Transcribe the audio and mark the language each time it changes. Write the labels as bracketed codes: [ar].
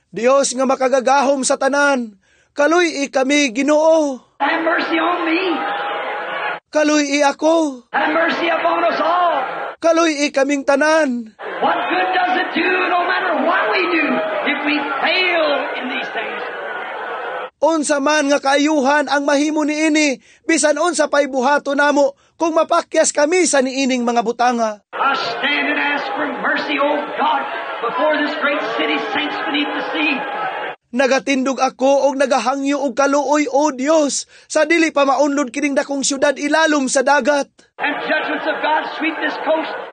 [ceb] Dios nga makagagahom sa tanan, kaluyi kami Ginoo. [en] Have mercy on me. [ceb] Kaluyi ako. [en] Have mercy upon us all. [ceb] Kaluyi kaming tanan. [en] What good does it do, no matter what we do, if we fail in these things? [ceb] Unsa man nga kaayuhan ang mahimo niini, bisan unsa pay buhato namo, kung mapakyas kami sa niining mga butanga. [en] I stand and ask for mercy, O God, before this great city sinks beneath the sea. [ceb] Nagatindog ako og nagahangyo og kaluoy, O Dios, sa dili pa maunlod kining dakong syudad ilalom sa dagat. [en] And judgments of God sweep this coast.